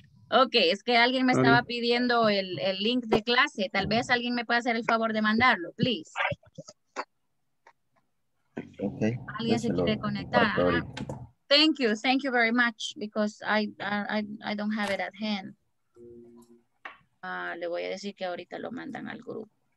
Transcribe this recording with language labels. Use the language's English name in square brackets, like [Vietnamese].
[Spanish] Okay, es que alguien me estaba pidiendo el link de clase. Tal vez alguien me pueda hacer el favor de mandarlo, please. Okay. Alguien se quiere conectar. [English] Thank you very much, because I don't have it at hand. [Spanish] Le voy a decir que ahorita lo mandan al grupo.